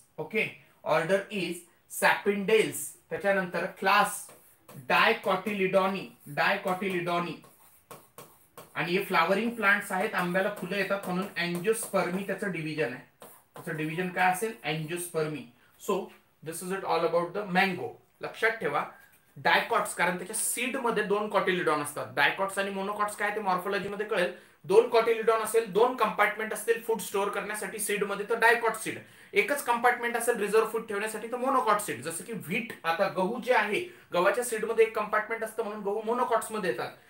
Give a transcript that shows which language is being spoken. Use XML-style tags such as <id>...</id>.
<mr>Okay,</mr> <en>Order is Sapindales.</en> <mr>त्याच्यानंतर class डायकॉटिलिडॉनी। डायकॉटिलिडॉनी आणि हे फ्लावरिंग प्लांट्स आहेत, आंब्याला फुलं येतात म्हणून एंजियोस्पर्मी त्याचं डिव्हिजन आहे. त्याचं डिव्हिजन काय असेल? Angiospermae.</mr> <en>So this is it all about the mango.</en> <mr>लक्षात ठेवा डायकॉट्स, कारण त्याच्या सीड मध्ये दोन कॉटिलिडॉन असतात. डायकॉट्स आणि मोनोकॉट्स काय ते मॉर्फॉलॉजी मध्ये कळेल. दोन कॉटिलिडॉन असेल, दोन कंपार्टमेंट असतील फूड स्टोअर करण्यासाठी सीड मध्ये, तर डायकॉट सीड. एकच कंपार्टमेंट असेल रिझर्व्ह फूड ठेवण्यासाठी, तर मोनोकॉट सीड. जसं की व्हीट, आता गहू जे आहे, गव्हाच्या सीड मध्ये एक कंपार्टमेंट असतं म्हणून गहू मोनोकॉट्स मध्ये येतात.</mr>